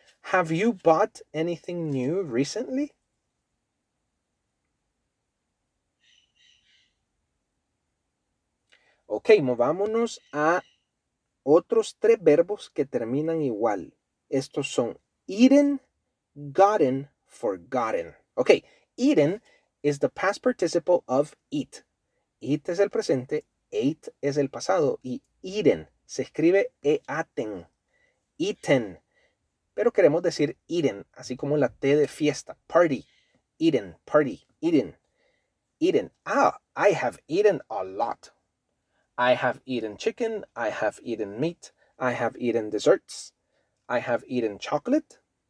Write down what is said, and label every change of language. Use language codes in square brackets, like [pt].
[en] Have you bought anything new recently? [es] Ok, movámonos a otros tres verbos que terminan igual. Estos son eaten, gotten, forgotten. [en] Ok, eaten is the past participle of eat. [es] Eat es el presente, ate es el pasado y eaten se escribe e-aten, eaten. Pero queremos decir eaten, así como la T de fiesta, party, eaten, party, eaten, eaten. [en] Ah, I have eaten a lot. I have eaten chicken, I have eaten meat, I have eaten desserts, I have eaten chocolate.